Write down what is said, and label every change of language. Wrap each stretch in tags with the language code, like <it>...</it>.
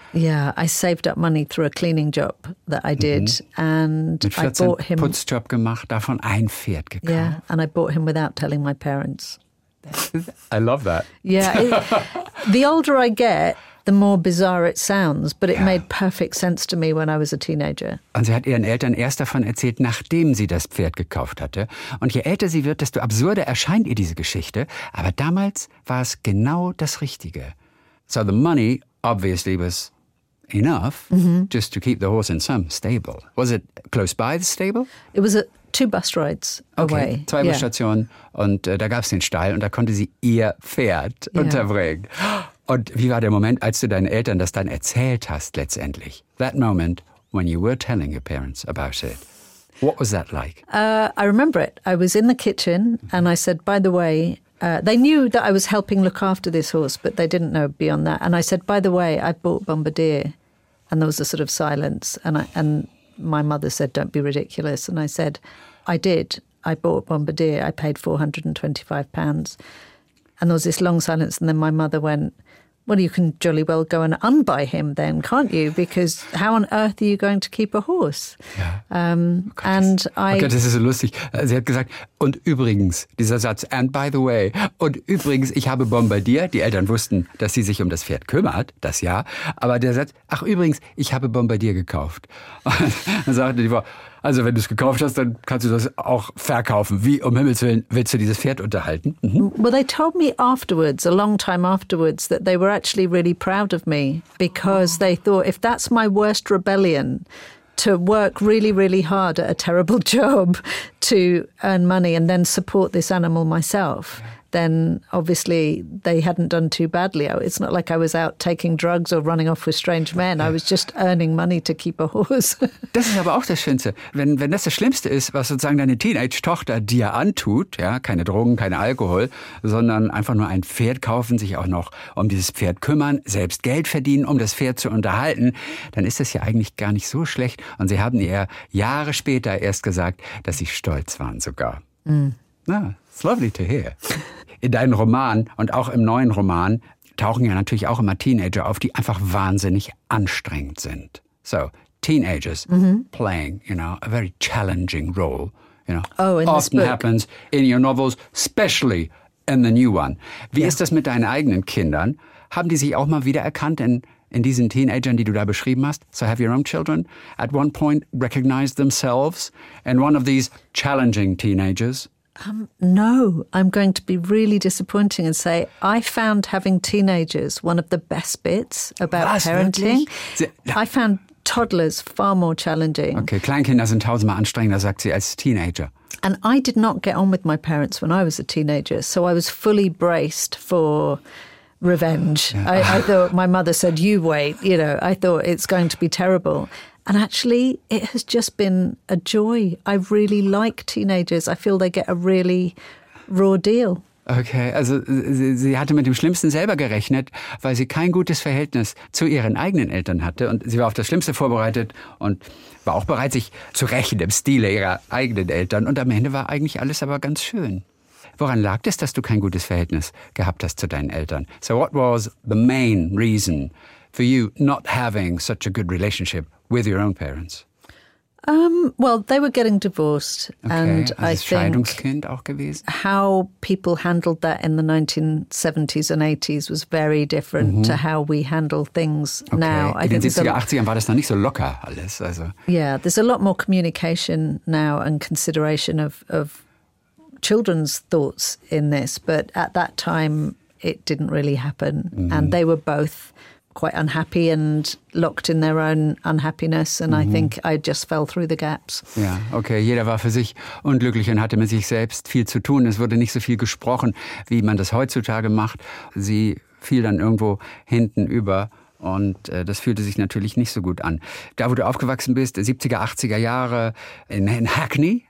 <en>Yeah, I saved up money through a cleaning job that I did. And</en> <de>mit 14</de> <en>I bought him.</en> <de>Putzjob gemacht, davon ein Pferd gekauft.</de> <en>Yeah, and I bought him without telling my parents. I love that. Yeah. The older I get, the more bizarre it sounds, but it made perfect sense to me when I was a teenager.</en> <de>Und sie hat ihren Eltern erst davon erzählt, nachdem sie das Pferd gekauft hatte. Und je älter sie wird, desto absurder erscheint ihr diese Geschichte. Aber damals war es genau das Richtige.</de> <en>So the money obviously was enough just to keep the horse in some stable. Was it close by the stable? It was two bus rides away.</en> <de>Okay, zwei Busstationen und da gab es den Stall und da konnte sie ihr Pferd unterbringen. Und wie war der Moment, als du deinen Eltern das dann erzählt hast letztendlich?</de> <en>That moment when you were telling your parents about it. What was that like? I remember it. I was in the kitchen and I said, by the way, they knew that I was helping look after this horse, but they didn't know beyond that. And I said, by the way, I bought Bombardier. And there was a sort of silence. And my mother said, don't be ridiculous. And I said, I did. I bought Bombardier. I paid £425. And there was this long silence. And then my mother went, Well, you can jolly well go and unbuy him then, can't you? Because how on earth are you going to keep a horse?</en> <de>Oh Gott, das ist so lustig. Sie hat gesagt, und übrigens, dieser Satz,</de> <en>and by the way,</en> <de>und übrigens, ich habe Bombardier. Die Eltern wussten, dass sie sich um das Pferd kümmert, das ja. Aber der Satz, ach übrigens, ich habe Bombardier gekauft. Und dann sagte die Frau, also wenn du es gekauft hast, dann kannst du das auch verkaufen. Wie um Himmels Willen willst du dieses Pferd unterhalten? Mhm.</de> <en>Well, they told me afterwards, a long time afterwards, that they were actually really proud of me because they thought, if that's my worst rebellion, to work really, really hard at a terrible job to earn money and then support this animal myself, then obviously they hadn't done too badly. It's not like I was out taking drugs or running off with strange men. I was just earning money to keep a horse.</en> <de>Das ist aber auch das Schönste. Wenn das das Schlimmste ist, was sozusagen deine Teenage-Tochter dir antut, ja, keine Drogen, kein Alkohol, sondern einfach nur ein Pferd kaufen, sich auch noch um dieses Pferd kümmern, selbst Geld verdienen, um das Pferd zu unterhalten, dann ist das ja eigentlich gar nicht so schlecht. Und sie haben ihr Jahre später erst gesagt, dass sie stolz waren sogar. Ja,</de> <en>it's lovely to hear.</en> <de>In deinem Roman und auch im neuen Roman tauchen ja natürlich auch immer Teenager auf, die einfach wahnsinnig anstrengend sind.</de> <en>So, teenagers playing, you know, a very challenging role. You know, oh, in often happens in your novels, especially in the new one.</en> <de>Wie ist das mit deinen eigenen Kindern? Haben die sich auch mal wieder erkannt in diesen Teenagern, die du da beschrieben hast?</de> <en>So, have your own children at one point recognized themselves in one of these challenging teenagers? No, I'm going to be really disappointing and say I found having teenagers one of the best bits about parenting. I found toddlers far more challenging.</en> <de>Okay, Kleinkinder sind tausendmal anstrengender, sagt sie, als Teenager.</de> <en>And I did not get on with my parents when I was a teenager, so I was fully braced for revenge. I thought my mother said, you wait, you know, I thought it's going to be terrible. And actually, it has just been a joy. I really like teenagers. I feel they get a really raw deal.</en> <de>Okay, also sie hatte mit dem Schlimmsten selber gerechnet, weil sie kein gutes Verhältnis zu ihren eigenen Eltern hatte. Und sie war auf das Schlimmste vorbereitet und war auch bereit, sich zu rächen im Stile ihrer eigenen Eltern. Und am Ende war eigentlich alles aber ganz schön. Woran lag es, dass du kein gutes Verhältnis gehabt hast zu deinen Eltern?</de> <en>So what was the main reason for you not having such a good relationship with your own parents? Well, they were getting divorced. Okay. And I think</en> <de>Scheidungskind auch gewesen.</de> <en>How people handled that in the 1970s and 80s was very different to how we handle things now.</en> <de>In den 70er, 80ern war das noch nicht so locker alles. Also.</de> <en>Yeah, there's a lot more communication now and consideration of children's thoughts in this. But at that time, it didn't really happen. Mm-hmm. And they were both quite unhappy and locked in their own unhappiness. And I think I just fell through the gaps.</en> <de>Ja, okay. Jeder war für sich unglücklich und hatte mit sich selbst viel zu tun. Es wurde nicht so viel gesprochen, wie man das heutzutage macht. Sie fiel dann irgendwo hinten über und das fühlte sich natürlich nicht so gut an. Da, wo du aufgewachsen bist, 70er, 80er Jahre in Hackney.</de>